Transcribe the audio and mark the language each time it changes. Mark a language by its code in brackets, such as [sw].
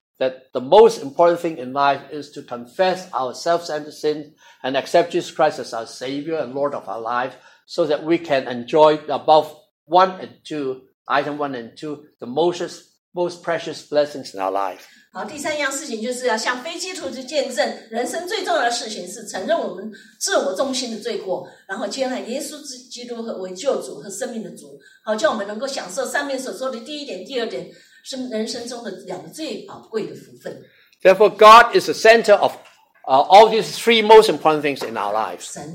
[en] That the most important thing in life is to confess our self-centered sin and accept Jesus Christ as our Savior and Lord of our life so that we can enjoy above one and two, item one and two, the most precious blessings in our life. [zh] 好，第三样事情就是要向非基督徒见证，人生最重要的事情是承认我们自我中心的罪过，然后接纳耶稣基督为救主和生命的主，好，叫我们能够享受上面所说的第一点、第二点。 [en] Therefore, God is the center of all these three most important things in our lives.